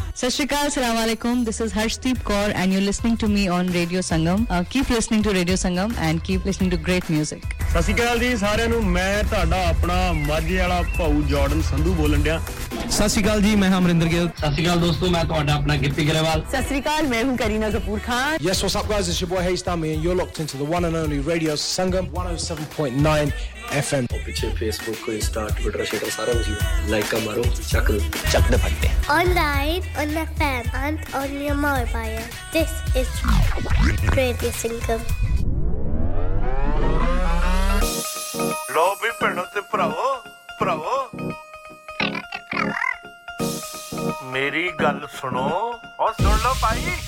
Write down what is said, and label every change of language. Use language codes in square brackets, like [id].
[pa] ਸਤਿ ਸ਼੍ਰੀ ਅਕਾਲ, ਅਸਲਾਮ ਅਲੈਕੁਮ, [en] this is Harshdeep Kaur and you're listening to me on Radio Sangam. Keep listening to Radio Sangam and keep listening to great music. [pa] ਸਤਿ ਸ਼੍ਰੀ ਅਕਾਲ ਜੀ ਸਾਰਿਆਂ ਨੂੰ, ਮੈਂ ਤੁਹਾਡਾ ਆਪਣਾ ਮਾਝੇ ਵਾਲਾ ਭਾਉ ਜਾਰਡਨ ਸੰਧੂ ਬੋਲਣ ਡਿਆ। ਸਤਿ ਸ਼੍ਰੀ ਅਕਾਲ ਜੀ, ਮੈਂ ਹਾਂ ਅਮਰਿੰਦਰ ਗਿੱਲ। ਸਤਿ ਸ਼੍ਰੀ ਅਕਾਲ ਦੋਸਤੋ, ਮੈਂ ਤੁਹਾਡਾ ਆਪਣਾ ਗਿੱਪੀ ਗਰੇਵਾਲ। ਸਤਿ ਸ਼੍ਰੀ ਅਕਾਲ, [hi] ਮੈਂ ਹੂੰ Kareena Kapoor Khan. [en] Yes, what's up guys, it's your boy Haystami and you're locked into the one and only Radio Sangam 107.9 FM. [pa] ਉਹ ਪਿੱਛੇ ਫੇਸਬੁੱਕ ਕੋ ਇੰਸਟਾ ਟਵਿੱਟਰ ਸ਼ੇਅਰ ਸਾਰਾ ਕੁਝ ਲਾਈਕਾਂ ਮਾਰੋ, ਚੱਕ ਦੇ ਫੜਦੇ [en] Online on FM and on your mobile, this is Radio Sangam. [pa] ਲੋ ਵੀ ਭੈਣੋ ਤੇ ਭਰਾਵੋ ਭਰਾਵੋ ਮੇਰੀ ਗੱਲ ਸੁਣੋ ਔਰ ਸੁਣ ਲਓ ਭਾਈ